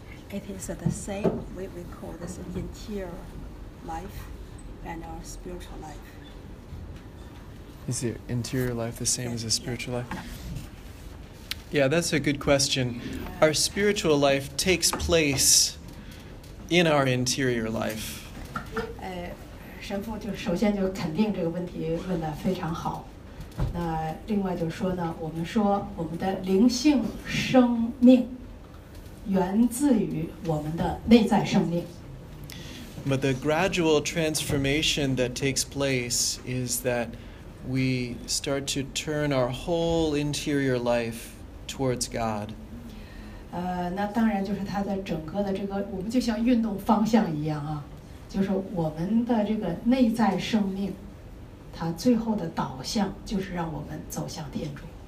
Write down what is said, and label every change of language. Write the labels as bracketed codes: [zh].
[en] It is the same, we call this interior life and our spiritual life. Is the interior life the same yes, as the spiritual yes. life? Yeah, that's a good question. Our spiritual life takes place in our interior life. [zh] 神父就首先就肯定这个问题问得非常好。那另外就是说呢，我们说我们的灵性生命源自于我们的内在生命。 [en] But the gradual transformation that takes place is that we start to turn our whole interior life towards God. [zh] 那当然就是它的整个的这个，我们就像运动方向一样啊，就是我们的这个内在生命，它最后的导向就是让我们走向天主。